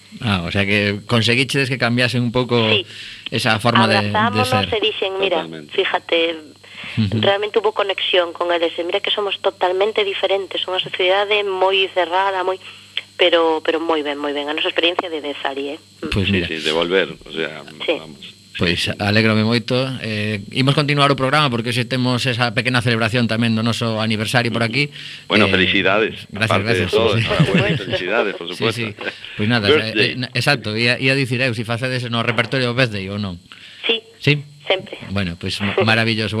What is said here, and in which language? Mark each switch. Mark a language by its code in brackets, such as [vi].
[es] Ah, o sea que conseguiste que cambiasen un poco esa forma abrazámonos de ser. Abrazámonos y dicen, mira, fíjate, realmente hubo conexión con ellos. Mira que somos totalmente diferentes, una sociedad muy cerrada, muy... pero muy bien, muy bien. A nuestra experiencia de salir, ¿eh? Pues mira. Sí, de volver, o sea, sí. Vamos. [gl] Pois alégrome moito. Imos continuar o programa, porque se temos esa pequena celebración tamén do noso aniversario por aquí. [es] Bueno, felicidades. Gracias. Todo, sí. Felicidades, por supuesto. [gl] Sí. Pois nada, exacto, ia dicir eu si facedes no repertorio birthday ou non. Sí. Sí. Sempre. [es] Bueno, pues maravilloso.